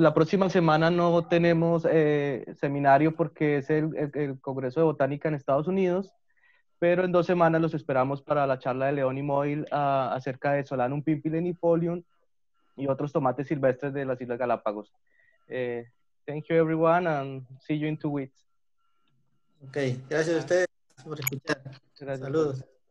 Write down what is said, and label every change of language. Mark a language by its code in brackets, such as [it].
[es] La próxima semana no tenemos seminario porque es el Congreso de Botánica en Estados Unidos, pero en 2 semanas los esperamos para la charla de León y Móvil acerca de Solanum pimpilenifolium y otros tomates silvestres de las Islas Galápagos. [en] Thank you, everyone, and see you in 2 weeks. [es] Okay, gracias a ustedes por escuchar. Gracias. Saludos.